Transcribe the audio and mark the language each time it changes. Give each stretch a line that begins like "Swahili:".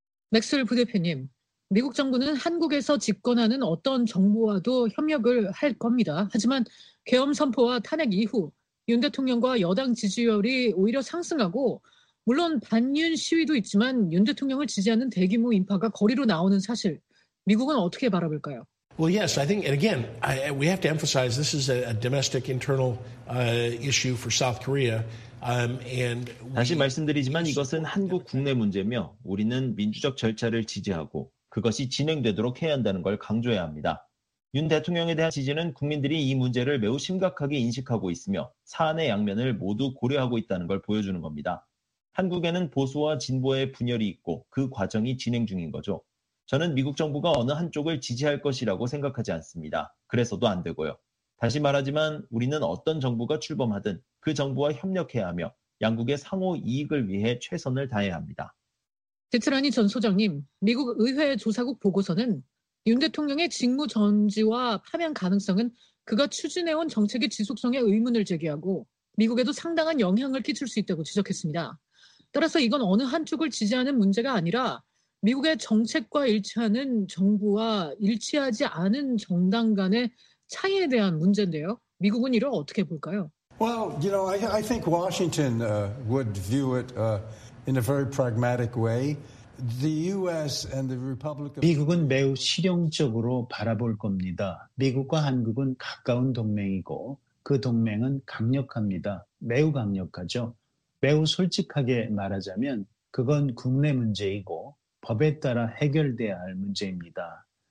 Korean: 맥스웰 부대표님, 미국 정부는 한국에서 집권하는 어떤 정부와도 협력을 할 겁니다. 하지만 계엄 선포와 탄핵 이후 윤 대통령과 여당 지지율이 오히려 상승하고 물론 반윤 시위도 있지만 윤 대통령을 지지하는 대규모 인파가 거리로 나오는 사실, 미국은 어떻게 바라볼까요?
English: Well, yes, I think, and again, we have to emphasize this is a domestic internal issue for South Korea.
Korean: 다시 말씀드리지만 이것은 한국 국내 문제며 우리는 민주적 절차를 지지하고 그것이 진행되도록 해야 한다는 걸 강조해야 합니다. 윤 대통령에 대한 지지는 국민들이 이 문제를 매우 심각하게 인식하고 있으며 사안의 양면을 모두 고려하고 있다는 걸 보여주는 겁니다. 한국에는 보수와 진보의 분열이 있고 그 과정이 진행 중인 거죠. 저는 미국 정부가 어느 한쪽을 지지할 것이라고 생각하지 않습니다. 그래서도 안 되고요. 다시 말하지만 우리는 어떤 정부가 출범하든 그 정부와 협력해야 하며 양국의 상호 이익을 위해 최선을 다해야 합니다. 데트라니 전 소장님, 미국 의회 조사국 보고서는 윤 대통령의 직무 전지와 파면 가능성은 그가 추진해온 정책의 지속성에 의문을 제기하고 미국에도 상당한 영향을 끼칠 수 있다고 지적했습니다. 따라서 이건 어느 한쪽을 지지하는 문제가 아니라 미국의 정책과 일치하는 정부와 일치하지 않은 정당 간의 차이에 대한 문제인데요. 미국은 이를 어떻게 볼까요?
English: Well, you know, I think Washington would view it in a very pragmatic way. The U.S. and the Republic of
Korean: 미국은 매우 실용적으로 바라볼 겁니다. 미국과 한국은 가까운 동맹이고 그 동맹은 강력합니다. 매우 강력하죠. 매우 솔직하게 말하자면 그건 국내 문제이고 법에 따라 해결돼야 할 문제입니다.